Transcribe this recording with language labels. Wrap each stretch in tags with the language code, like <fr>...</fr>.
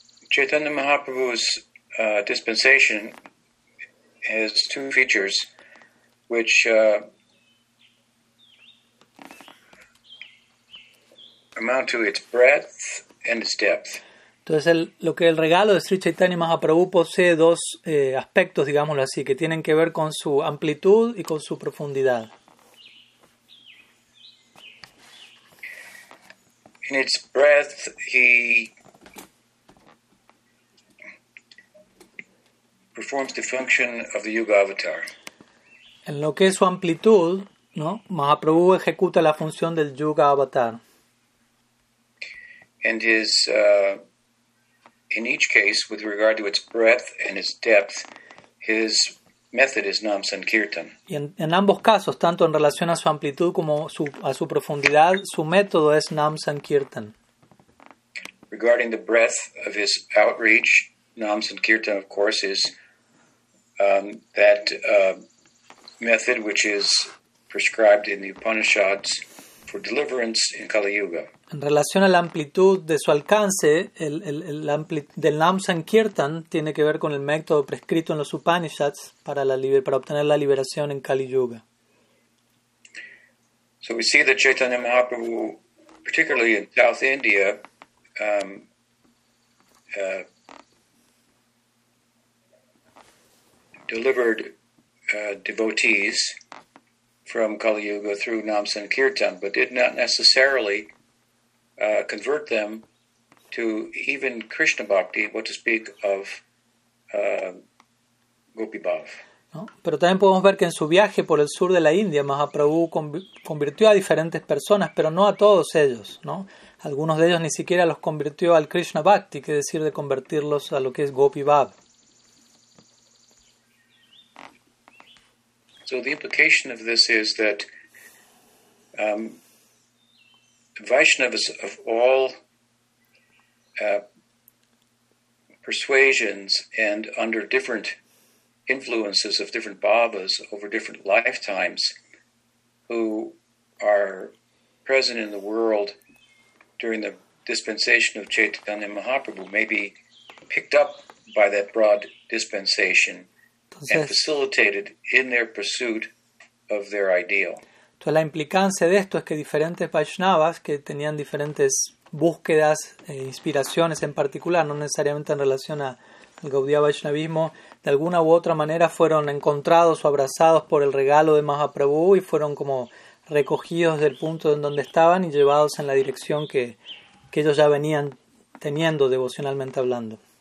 <en>Chaitanya Mahaprabhu's dispensation has two features which amount to its breadth and its depth.</en> <es>Entonces, lo que el regalo de Sri Chaitanya Mahaprabhu posee dos aspectos, digámoslo así, que tienen que ver con su amplitud y con su profundidad.</es> <en>In its breadth, he performs the function of the Yuga Avatar.</en> <es>En lo que es su amplitud, ¿no? Mahaprabhu ejecuta la función del Yuga Avatar.</es> <en>And his... In each case, with regard to its breadth and its depth, his method is Nam Sankirtan.</en> <es>Y en ambos casos, tanto en relación a su amplitud como a su profundidad, su método es Nam Sankirtan.</es> <en>Regarding the breadth of his outreach, Nam Sankirtan, of course, is that method which is prescribed in the Upanishads for deliverance in Kali Yuga.</en> <es>En relación a la amplitud de su alcance, del Nam Sankirtan tiene que ver con el método prescrito en los Upanishads para obtener la liberación en Kali Yuga.</es> <en>So we see that Chaitanya Mahaprabhu, particularly in South India, delivered devotees from Kali Yuga through Nam Sankirtan, but did not necessarily convert them to even Krishna Bhakti, what to speak of Gopi Bhav.</en> <es>¿No? Pero también podemos ver que en su viaje por el sur de la India, Mahaprabhu convirtió a diferentes personas, pero no a todos ellos, ¿no? Algunos de ellos ni siquiera los convirtió al Krishna Bhakti, que es decir, de convertirlos a lo que es Gopi Bhav.</es> <en>So the implication of this is that Vaishnavas of all persuasions and under different influences of different bhavas over different lifetimes who are present in the world during the dispensation of Chaitanya Mahaprabhu may be picked up by that broad dispensation.</en> <es>Entonces,</es> <en>and facilitated in their pursuit of their ideal.</en> <es>Entonces, la implicancia de esto es que diferentes Vaishnavas que tenían diferentes búsquedas e inspiraciones en particular, no necesariamente en relación al Gaudiya Vaishnavismo, de alguna u otra manera fueron encontrados o abrazados por el regalo de Mahaprabhu y fueron como recogidos del punto en donde estaban y llevados en la dirección que ellos ya venían teniendo devocionalmente hablando.</es>